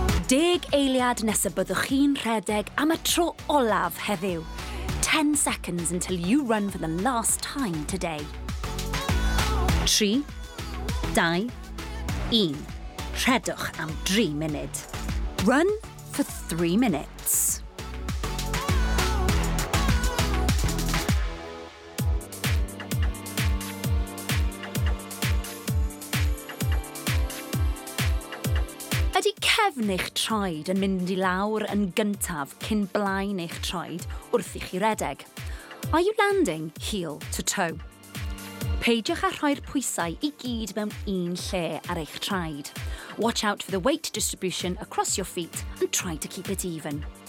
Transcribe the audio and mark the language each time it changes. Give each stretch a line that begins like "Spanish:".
Welsh: Deg eiliad nes y byddwch chi'n rhedeg am y tro olaf heddiw.
English: 10 seconds until you run for the last time today.
Welsh: 3, 2, 1. Rhedwch am 3 munud.
English: Run for 3 minutes.
Welsh: Cefn eich troed yn mynd I lawr yn gyntaf cyn blaen eich troed wrth I chi redeg.
English: Are you landing heel to toe?
Welsh: Peidiwch â rhoi'r pwysau I gyd mewn un lle ar eich traed.
English: Watch out for the weight distribution across your feet and try to keep it even.